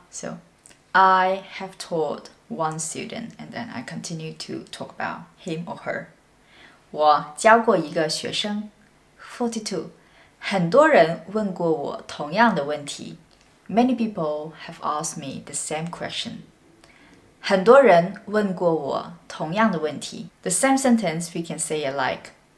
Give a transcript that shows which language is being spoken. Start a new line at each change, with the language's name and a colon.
English: So, I have taught one student and then I continue to talk about him or her.
Chinese: 我教过一个学生. 42. 很多人问过我同样的问题.
English: Many people have asked me the same question.
Chinese: 很多人问过我同样的问题.
English: The same sentence we can say it like